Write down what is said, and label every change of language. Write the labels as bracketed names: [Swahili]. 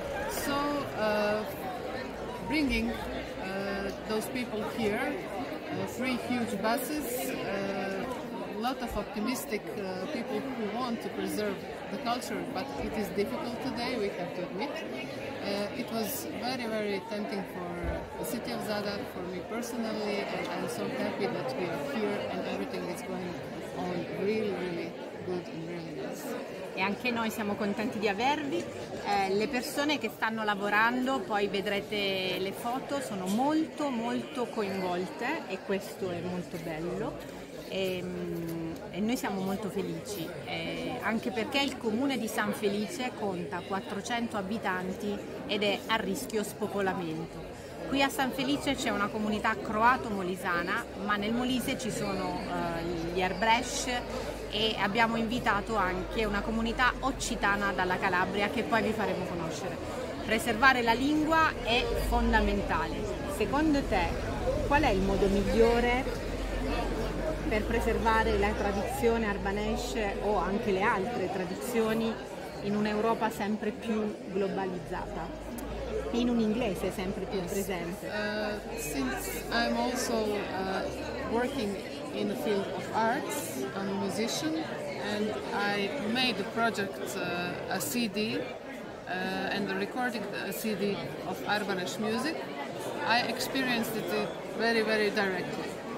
[English] So bringing those people here, three huge buses, lot of optimistic people who want to preserve the culture, but it is difficult today, we have to admit. It was very, very tempting for the city of Zadar, for me personally, and I'm so happy that we are here and everything is going on really, really good and really nice. [Italian] E anche noi siamo contenti di avervi. Le persone che stanno lavorando, poi vedrete le foto, sono molto, molto coinvolte e questo è molto bello. E noi siamo molto felici, anche perché il comune di San Felice conta 400 abitanti ed è a rischio spopolamento. Qui a San Felice c'è una comunità croato-molisana, ma nel Molise ci sono gli Erbresh e abbiamo invitato anche una comunità occitana dalla Calabria che poi vi faremo conoscere. Preservare la lingua è fondamentale. Secondo te qual è il modo migliore per preservare la tradizione Arbanesh o anche le altre tradizioni in un'Europa sempre più globalizzata, in un inglese sempre più presente? [English] Since I'm also working in the field of arts, I'm a musician, and I made a project, a CD, and a recording a CD of Arbanesh music, I experienced it very, very directly.